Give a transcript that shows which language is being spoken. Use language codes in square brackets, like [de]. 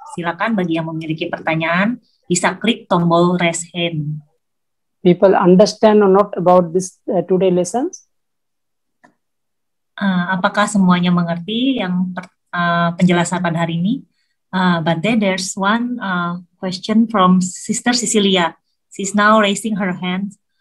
[id] Silakan bagi yang memiliki pertanyaan, bisa klik tombol raise hand. [en] People understand or not about this today lessons? [id] Apakah semuanya mengerti yang penjelasan pada hari ini? [en] But there's one question from Sister Cecilia. She's now raising her hand.